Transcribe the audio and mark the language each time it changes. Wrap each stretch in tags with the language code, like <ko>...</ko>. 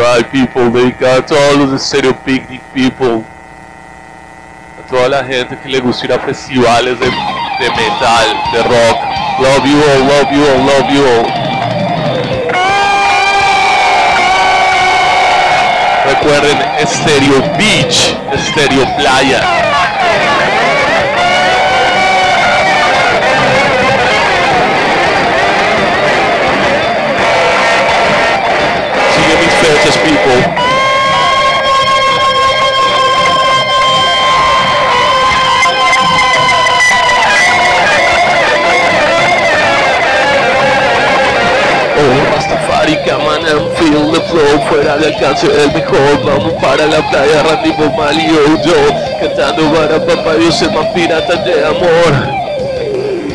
<en>People, they got all of the stereo picnic people.</en> <es>A toda la gente que le gusta ir a festivales de metal, de rock.</es> <en>Love you all, love you all, love you all.</en> <es>Recuerden, Stereo Beach, Stereo Playa.</es> <en>Precious people. Oh, Rastafari, come on and feel the flow.</en> <es>Fuera de alcance el mejor. Vamos para la playa, Randy Bomal y yo. Cantando para papá Dios, el más pirata de amor.</es>